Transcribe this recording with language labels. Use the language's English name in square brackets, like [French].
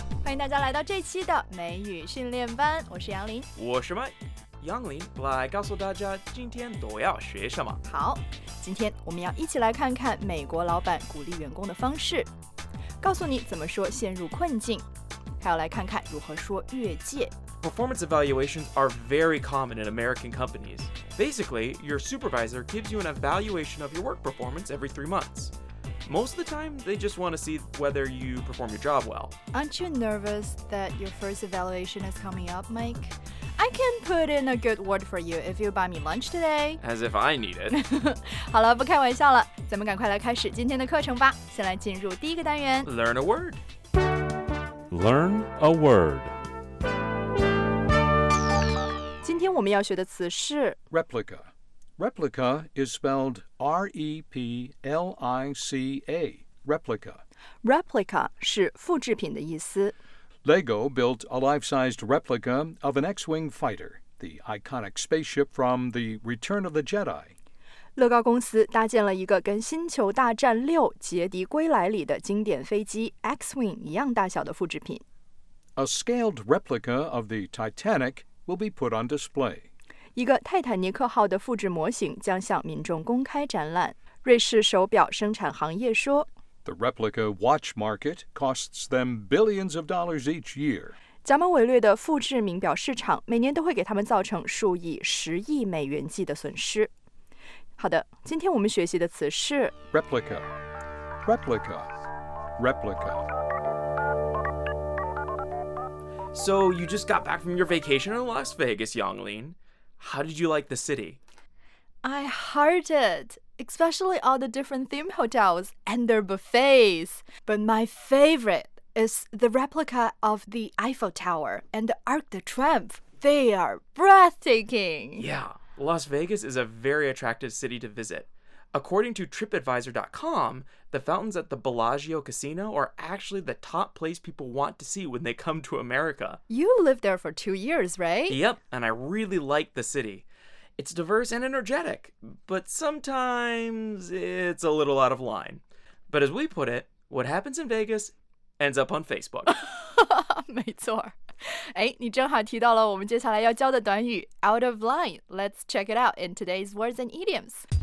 [Chinese] 迎大家来到这期的美语训练班，我是杨林。我是麦杨林，来告诉大家今天都要学什么。好，今天我们要一起来看看美国老板鼓励员工的方式，告诉你怎么说陷入困境，还要来看看如何说越界。 [English] Performance evaluations are very common in American companies. Basically, your supervisor gives you an evaluation of your work performance every 3 months. Most of the time, they just want to see whether you perform your job well. Aren't you nervous that your first evaluation is coming up, Mike? I can put in a good word for you if you buy me lunch today. As if I need it. [Chinese] 好了，不开玩笑了，咱们赶快来开始今天的课程吧。先来进入第一个单元。 [English] Learn a word. Learn a word. [Chinese] 今天我们要学的词是 [English] replica. Replica is spelled R-E-P-L-I-C-A. Replica. [Chinese] Replica 是复制品的意思。 [English] Lego built a life-sized replica of an X-wing fighter, the iconic spaceship from the Return of the Jedi. [Chinese] 乐高公司搭建了一个跟《星球大战六：杰迪归来》里的经典飞机 X-wing 一样大小的复制品。 [English] A scaled replica of the Titanic. Will be put on display. [Chinese] 一个泰坦尼克号的复制模型将向民众公开展览。瑞士手表生产行业说 [English] ，The replica watch market costs them billions of dollars each year. [Chinese] 贾马韦略的复制名表市场每年都会给他们造成数以十亿美元计的损失。好的，今天我们学习的词是 [English] replica, replica, replica. So you just got back from your vacation in Las Vegas, Yonglin. How did you like the city? I heard it, especially all the different theme hotels and their buffets. But my favorite is the replica of the Eiffel Tower and the Arc de Triomphe. They are breathtaking. Yeah, Las Vegas is a very attractive city to visit. According to TripAdvisor.com, the fountains at the Bellagio Casino are actually the top place people want to see when they come to America. You lived there for 2 years, right? Yep, and I really like the city. It's diverse and energetic, but sometimes it's a little out of line. But as we put it, what happens in Vegas ends up on Facebook. [Chinese] 没错。哎，你正好提到了我们接下来要教的短语 [English] out of line. Let's check it out in today's words and idioms.